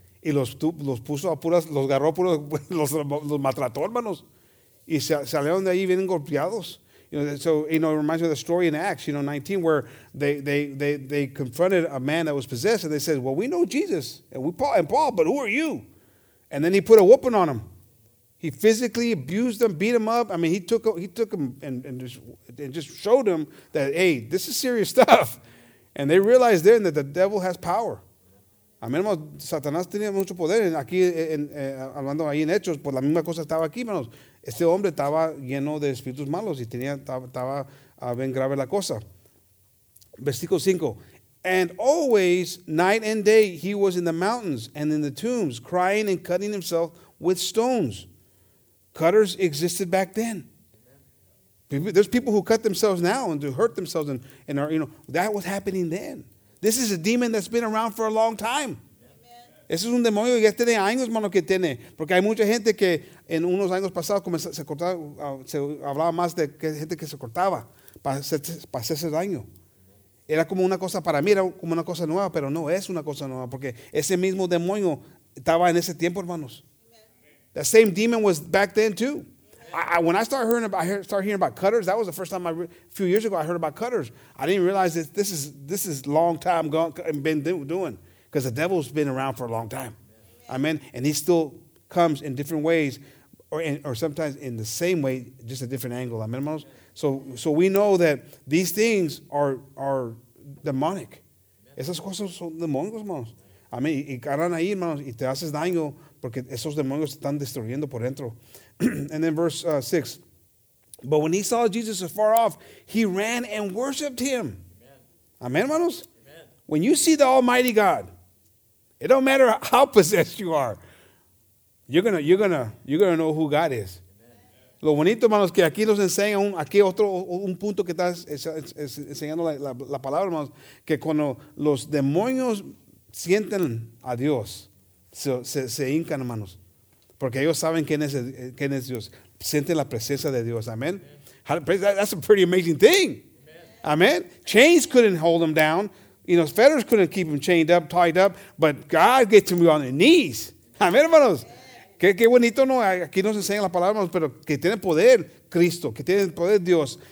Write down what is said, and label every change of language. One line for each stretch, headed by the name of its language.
Spanish: Y los puso a puras, los agarró a puros, los maltrató, hermanos, y salieron de ahí bien golpeados.
English: It reminds me of the story in Acts, you know, 19, where they confronted a man that was possessed, and they said, well, we know Jesus, and Paul, but who are you? And then he put a whooping on him. He physically abused him, beat him up. I mean, he took him and just showed him that, hey, this is serious stuff. And they realized then that the devil has power.
Spanish: A mí, hermanos, Satanás tenía mucho poder. Aquí, hablando ahí en Hechos, pues la misma cosa estaba aquí, hermanos. Este hombre estaba lleno de espíritus malos y estaba bien grave la cosa. Versículo 5.
English: And always, night and day, he was in the mountains and in the tombs, crying and cutting himself with stones. Cutters existed back then. There's people who cut themselves now and to hurt themselves and are, you know, that was happening then. This is a demon that's been around for a long time.
Spanish: Ese es un demonio que ya tiene años, mano, que tiene. Porque hay mucha gente que en unos años pasados se hablaba más de gente que se cortaba para hacerse daño. Era como una cosa para mí, era como una cosa nueva, pero no es una cosa nueva porque ese mismo demonio estaba en ese tiempo, hermanos.
English: The same demon was back then too. When I started hearing about cutters, that was the first time a few years ago I heard about cutters. I didn't realize that this is long time gone and been doing, because the devil's been around for a long time. Amen. And he still comes in different ways, or sometimes in the same way, just a different angle. Amen, hermanos. So we know that these things are demonic.
Spanish: Esas cosas son demonios, hermanos. Amen. Y caran ahí, hermanos, y te haces daño porque esos demonios están destruyendo por dentro.
English: And then verse 6. But when he saw Jesus afar off, he ran and worshipped him. Amen, amen, hermanos. Amen. When you see the Almighty God, it don't matter how possessed you are, you're gonna know who God is.
Spanish: Amen. Lo bonito, hermanos, que aquí nos enseña aquí otro punto que está enseñando la palabra, hermanos, que cuando los demonios sienten a Dios, se hincan, hermanos. Porque ellos saben quién es Dios. Sienten la presencia de Dios. Amen. Amen.
English: That's a pretty amazing thing. Amen. Amen. Chains couldn't hold him down. You know, fetters couldn't keep him chained up, tied up. But God gets him on his knees. Amen, hermanos. Amen.
Spanish: Qué bonito, ¿no? Aquí nos enseñan las palabras, hermanos, pero que tiene poder Cristo, que tiene poder Dios.